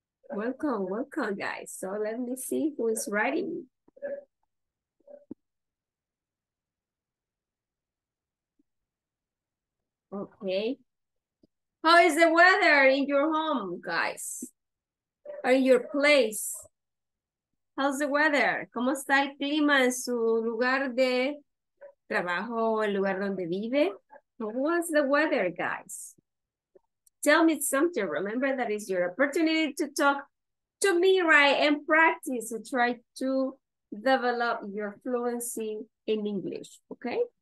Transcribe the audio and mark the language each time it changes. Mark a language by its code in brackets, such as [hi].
[en] Welcome, welcome, guys. So let me see who is writing. Okay. How is the weather in your home, guys? Or in your place? How's the weather? [es] ¿Cómo está el clima en su lugar de trabajo, el lugar donde vive? [en] What's the weather, guys? Tell me something. Remember, that is your opportunity to talk to me, right, and practice and try to develop your fluency in English, okay?